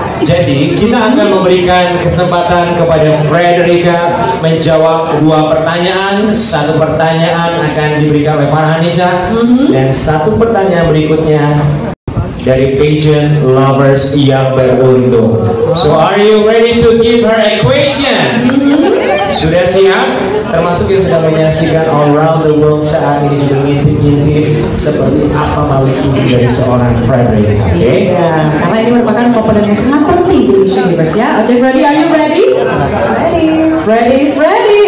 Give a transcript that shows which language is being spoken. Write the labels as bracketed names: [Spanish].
[Indonesian] Jadi, kita akan memberikan kesempatan kepada Frederica menjawab dua pertanyaan. Satu pertanyaan akan diberikan oleh Farhanisa, dan satu pertanyaan berikutnya dari Pageant Lovers yang beruntung. [English] So are you ready to give her a question? [Indonesian] Sudah siap? Termasuk yang sedang menyaksikan [English] all around the world [Indonesian] saat ini juga ngintip-ngintip seperti apa mau cumi dari seorang Frederica, oke? [English] Okay? [Indonesian] Yeah, karena ini merupakan komponen yang sangat penting di Miss Universe ya. [English] Oke, okay, Freddy, are you ready? Ready.